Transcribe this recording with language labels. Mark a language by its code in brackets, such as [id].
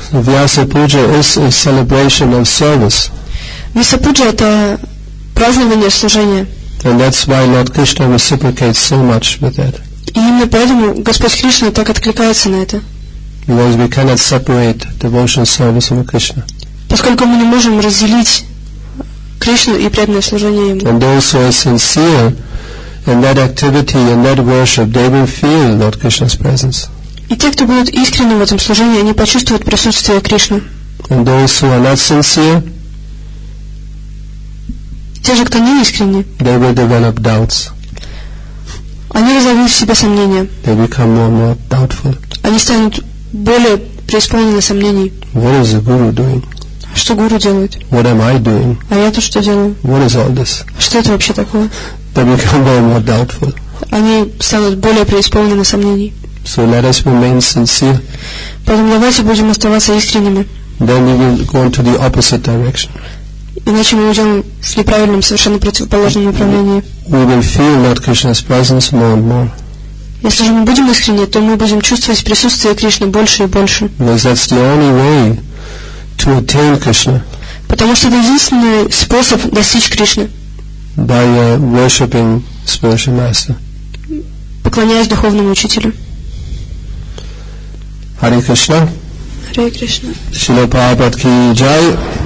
[en] Vyasa Puja is a celebration of service. [ru] Vyasa Puja – это празднование служения. [en] And that's why Lord Krishna reciprocates so much with that. [ru] И именно поэтому Господь Кришна так откликается на это. [en] Because we cannot separate devotional service from Krishna. [ru] Поскольку мы не можем разделить Кришну и преданное служение Ему. [en] And those who are sincere in that activity, in that worship, they will feel Lord Krishna's presence. [ru] И те, кто будут искренны в этом служении, они почувствуют присутствие Кришны. [en] And those who are not sincere, [ru] те же, кто не искренни, [en] they will develop doubts. [ru] Они разовьют в себе сомнения. [en] They become more and more doubtful. [ru] Они станут более преисполнены сомнений. [en] What is the Guru doing? [ru] Что Гуру делает? [en] What am I doing? [ru] А я-то что делаю? [en] What is all this? [ru] Что это вообще такое? [en] They become more and more doubtful. [ru] Они станут более преисполнены сомнений. [en] So let us remain sincere. [ru] Поэтому давайте будем оставаться искренними. [en] Then we will go into the opposite direction. [ru] Иначе мы уйдем в неправильном, совершенно противоположном направлении. [en] We will feel Lord Krishna's presence more and more. [ru] Если же мы будем искренне, то мы будем чувствовать присутствие Кришны больше и больше. [en] Because that's the only way to attain Krishna. [ru] Потому что это единственный способ достичь Кришны. [en] By worshipping spiritual master. [ru] Поклоняясь духовному учителю. [en] Hare Krishna. Hare Krishna. [ru] Шрила Прабхупад ки джай.